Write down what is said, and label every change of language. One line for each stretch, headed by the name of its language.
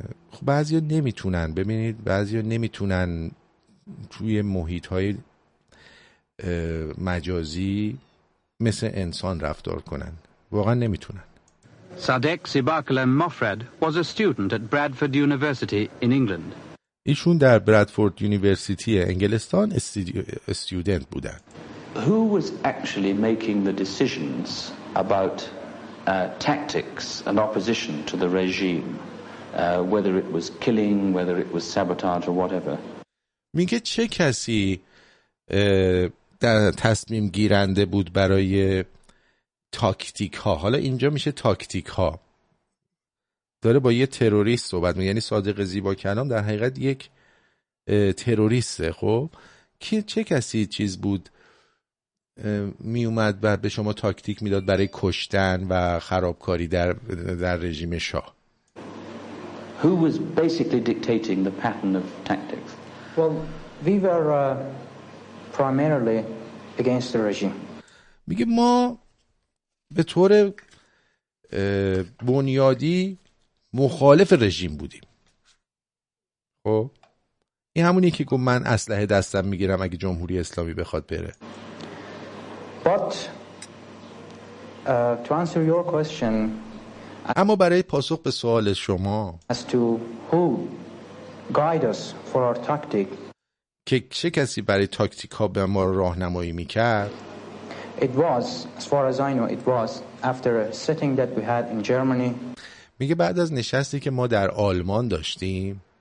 Persian: خب بعضیا نمیتونن، ببینید بعضیا نمیتونن توی محیط های مجازی مثل انسان رفتار کنن، واقعا نمیتونن.
English: صادق سیباکلم مافرد was a student at Bradford University in England.
Persian: ایشون در برادفورد یونیورسیتی انگلستان استودنت بودن.
English: Who was actually making the decisions about tactics and opposition to the regime, whether it was killing, whether it was sabotage or whatever.
Persian: میگه چه کسی در تصمیم گیرنده بود برای تاکتیک ها. حالا اینجا میشه تاکتیک ها، داره با یه تروریست صحبت میگه، یعنی صادق زیبا کلام در حقیقت یک تروریسته. خب که چه کسی چیز بود می اومد و به شما تاکتیک میداد برای کشتن و خرابکاری در رژیم شاه؟
English: Who was basically dictating the pattern of tactics? Well, we were primarily against the regime.
Persian: میگه ما به طور بنیادی مخالف رژیم بودیم. خب این همونی که گفت من اسلحه دستم میگیرم اگه جمهوری اسلامی بخواد بره.
English: But to answer your question,
Persian: اما برای پاسخ به سوال شما
English: as to who guide us for our tactic,
Persian: که چه کسی برای تاکتیک ها به ما راهنمایی میکرد؟
English: It was, as far as I know, it was after a sitting that we had in Germany.
Persian: میگه بعد از نشستی که ما در آلمان داشتیم.